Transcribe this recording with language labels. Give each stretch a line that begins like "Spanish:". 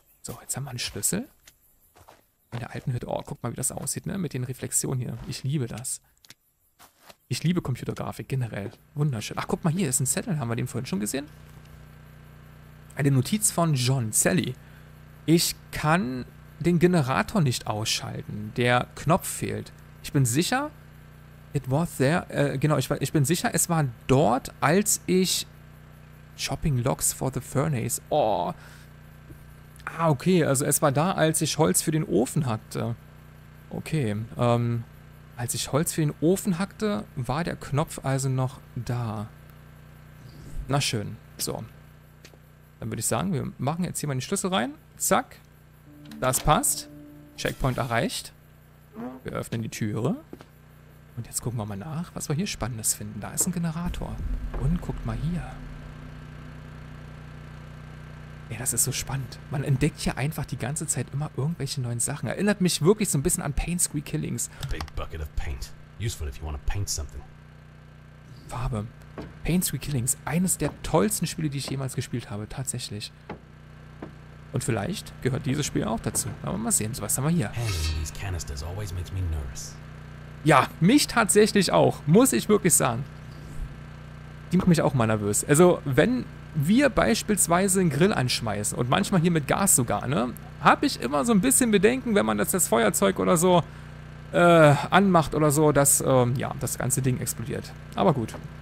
German: So, jetzt haben wir einen Schlüssel. In der alten Hütte. Oh, guck mal, wie das aussieht, ne? Mit den Reflexionen hier. Ich liebe das. Ich liebe Computergrafik generell. Wunderschön. Ach, guck mal, hier ist ein Zettel. Haben wir den vorhin schon gesehen? Eine Notiz von John. Sally. Ich kann den Generator nicht ausschalten. Der Knopf fehlt. Ich bin sicher,
English: it was there.
German: Genau, ich bin sicher, es war dort, als ich
English: Chopping Logs for the Furnace.
German: Oh. Ah, okay, also es war da, als ich Holz für den Ofen hackte. Okay, als ich Holz für den Ofen hackte, war der Knopf also noch da. Na schön, so. Dann würde ich sagen, wir machen jetzt hier mal den Schlüssel rein. Zack, das passt. Checkpoint erreicht. Wir öffnen die Türe. Und jetzt gucken wir mal nach, was wir hier Spannendes finden. Da ist ein Generator. Und guckt mal hier. Ja, das ist so spannend. Man entdeckt hier einfach die ganze Zeit immer irgendwelche neuen Sachen. Erinnert mich wirklich so ein bisschen an Paint Squeak Killings.
English: A big bucket of paint. Useful if you want to paint something.
German: Farbe. Paint Squeak Killings. Eines der tollsten Spiele, die ich jemals gespielt habe. Tatsächlich. Und vielleicht gehört dieses Spiel auch dazu. Aber mal sehen. So, was haben wir hier?
English: Handling these canisters always makes me nervous.
German: Ja, mich tatsächlich auch. Muss ich wirklich sagen. Die macht mich auch mal nervös. Also, wenn wir beispielsweise einen Grill anschmeißen und manchmal hier mit Gas sogar, ne? Habe ich immer so ein bisschen Bedenken, wenn man das Feuerzeug oder so anmacht oder so, dass ja, das ganze Ding explodiert. Aber gut.